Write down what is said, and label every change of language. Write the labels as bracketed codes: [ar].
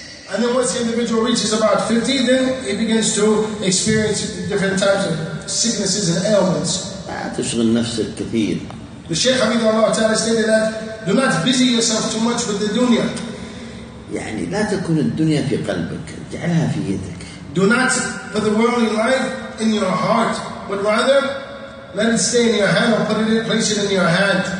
[en] And then once the individual reaches about 50, then he begins to experience different types of sicknesses and ailments. [ar] تشغل نفسك كثير. [en] The Shaykh Hamid Allah Ta'ala stated that do not busy yourself too much with the dunya. [ar] يعني لا تكون الدنيا في قلبك. اجعلها في يدك. [en] Do not put the worldly life in your heart, but rather let it stay in your hand or place it in your hand.